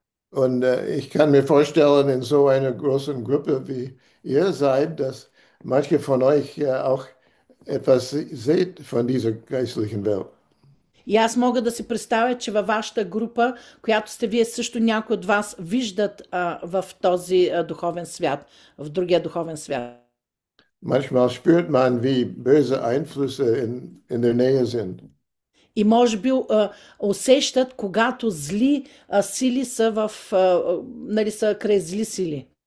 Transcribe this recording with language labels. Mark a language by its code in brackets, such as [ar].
[de] Und ich kann mir vorstellen, in so einer großen Gruppe wie ihr seid, dass manche von euch auch etwas seht von dieser geistlichen Welt. [bg] И аз мога да си представя, че във вашата група, която сте вие също някои от вас виждат в този духовен свят, в другия духовен свят. [de] Manchmal spürt man, wie böse Einflüsse in der Nähe sind. [bg] И може би усещат, когато зли сили са нали, са край зли сили.